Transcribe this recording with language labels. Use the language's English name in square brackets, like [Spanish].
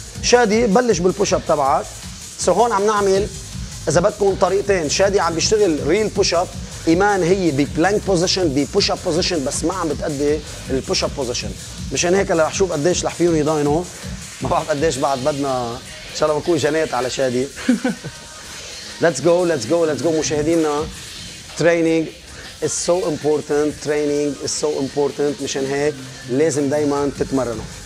[Arabic] شادي بلش بالبوش اب تبعك. سو هون عم نعمل اذا بدكم طريقتين. شادي عم بيشتغل ريل بوش اب، ايمان هي ببلانك بوزيشن ببوش اب بوزيشن، بس ما عم بتأدي البوش اب بوزيشن. مشان هيك رح شوف قديش رح فيهم يضاينوا. ما بعرف قديش بعد بدنا، ان شاء الله بكون جنيت على شادي. [English] Let's go. [Arabic] مشاهدينا تريننج [English] is so important. Training is so important. [Arabic] مشان هيك لازم دايما تتمرنوا.